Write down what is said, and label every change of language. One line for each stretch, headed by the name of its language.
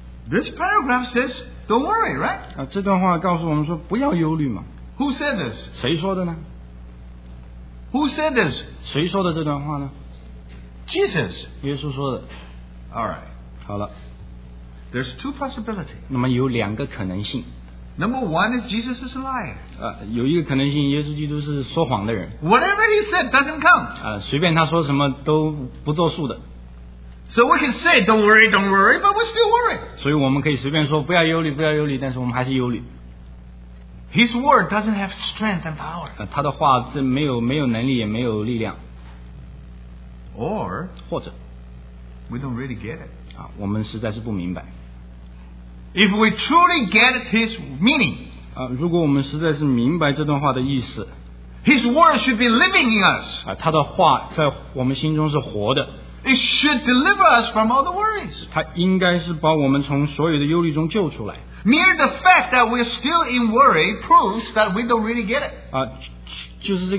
English: This paragraph says, don't worry, right?
Chinese: 这段话告诉我们说不要忧虑嘛。
English: Who said this?
Chinese: 谁说的呢?
English: Who said this?
Chinese: 谁说的这段话呢?
English: Jesus.
Chinese: 耶稣说的。
English: All right.
Chinese: 好了。
English: There's two possibilities.
Chinese: 那么有两个可能性。
English: Number one is Jesus is a liar.
Chinese: 有一个可能性耶稣基督是说谎的人。
English: Whatever he said doesn't come.
Chinese: 随便他说什么都不作数的。
English: So we can say, don't worry, but we still worry.
Chinese: 所以我们可以随便说, 不要忧虑, 不要忧虑, 但是我们还是忧虑。
English: His word doesn't have strength and power.
Chinese: 他的话是没有能力也没有力量。
English: Or,
Chinese: 或者,
English: we don't really get it.
Chinese: 我们实在是不明白。
English: If we truly get his meaning,
Chinese: 如果我们实在是明白这段话的意思,
English: his word should be living in us.
Chinese: 他的话在我们心中是活的。
English: It should deliver us from all the worries.
Chinese: 它应该是把我们从所有的忧虑中救出来。
English: Mere the fact that we're still in worry proves that we don't really get it.